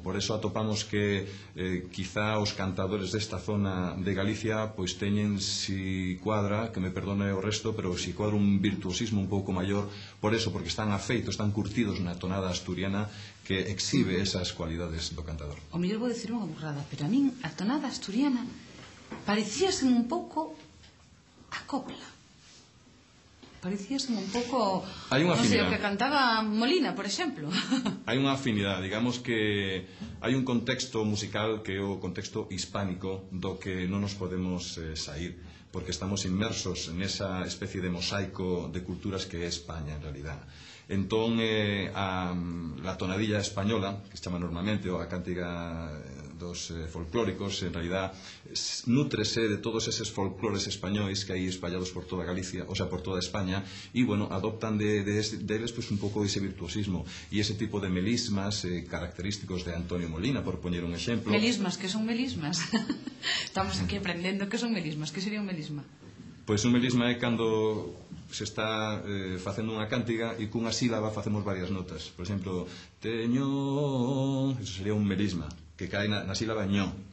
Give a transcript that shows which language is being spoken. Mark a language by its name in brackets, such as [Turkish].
[Galician] Por eso atopamos que quizá os cantadores desta zona de Galicia pois teñen, si cuadra, que me perdone o resto, pero si cuadra, un virtuosismo un pouco maior. Por eso, porque están afeitos, están curtidos na tonada asturiana que exhibe esas cualidades do cantador. O mellor vou dicir unha burrada, pero a min a tonada asturiana parecíase un pouco a copla. Parecías un pouco... [Spanish] Hay una afinidad. No sé, que cantaba Molina, por ejemplo. Hay una afinidad. Digamos que hay un contexto musical, [Galician] que o contexto hispánico, do que [Spanish] no nos podemos salir, porque estamos inmersos en esa especie de mosaico de culturas que es España, en realidad. [Galician] Entón, [Spanish] a la tonadilla española, [Galician] que se chama normalmente, ou a cántiga dos folclóricos, en realidad, nútrese de todos eses folclores españóis que hai espallados por toda Galicia, o sea, por toda España, e, bueno, adoptan deles pues, un pouco ese virtuosismo e ese tipo de melismas característicos de Antonio Molina, por poñer un exemplo. Melismas, que son melismas? Estamos aquí aprendendo que son melismas. Que sería un melisma? Pues un melisma é cando se está facendo unha cántiga e cunha sílaba facemos varias notas. Por exemplo, teño... Eso sería un melisma, que cae na sílaba ño.